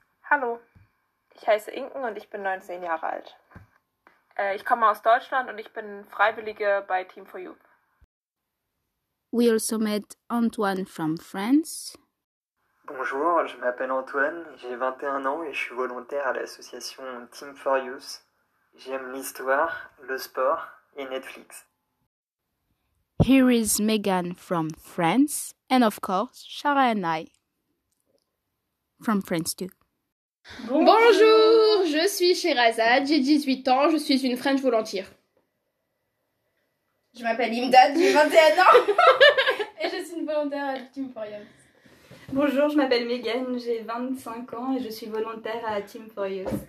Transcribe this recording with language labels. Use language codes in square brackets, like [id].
[de] Hallo, ich heiße Inken und ich bin 19 Jahre alt. Ich komme aus Deutschland und ich bin Freiwillige bei Team for Youth. [en] We also met Antoine from France. [fr] Bonjour, je m'appelle Antoine, j'ai 21 ans et je suis volontaire à l'association Team for Youth. J'aime l'histoire, le sport et Netflix. [en] Here is Megan from France, and of course, Shara and I, from France too. [fr] Bonjour, je suis Charazad, j'ai 18 ans, je suis une [en] French volunteer. [fr] Je m'appelle Himdat, j'ai 21 ans, et je suis une volontaire à Team for Youth. Bonjour, je m'appelle Megan, j'ai 25 ans, et je suis volontaire à Team for Youth.